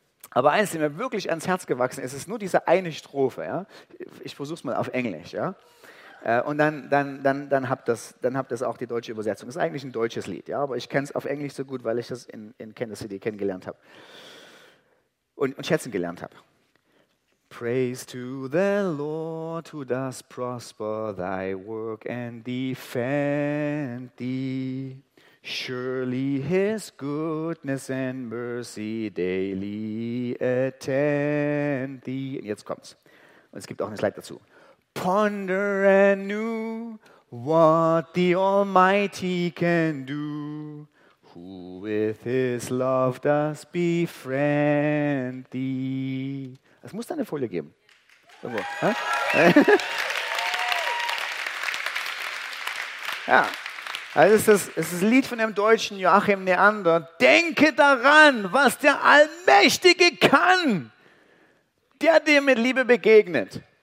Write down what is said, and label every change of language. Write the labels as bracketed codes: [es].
[de] Aber eines, die mir wirklich ans Herz gewachsen ist, ist nur diese eine Strophe. Ja? Ich versuche es mal auf Englisch. Ja? Und dann habt das auch die deutsche Übersetzung. Das ist eigentlich ein deutsches Lied, ja, aber ich kenne es auf Englisch so gut, weil ich das in Kansas City kennengelernt habe und schätzen gelernt habe. [en] Praise to the Lord who does prosper thy work and defend thee. Surely his goodness and mercy daily attend thee. [de] Und jetzt kommt's. Und es gibt auch eine Slide dazu. [en] Ponder anew what the Almighty can do, who with his love does befriend thee. [de] Es muss da eine Folie geben. Irgendwo. Ja. Also es ist ein Lied von dem Deutschen Joachim Neander. Denke daran, was der Allmächtige kann, der dir mit Liebe begegnet.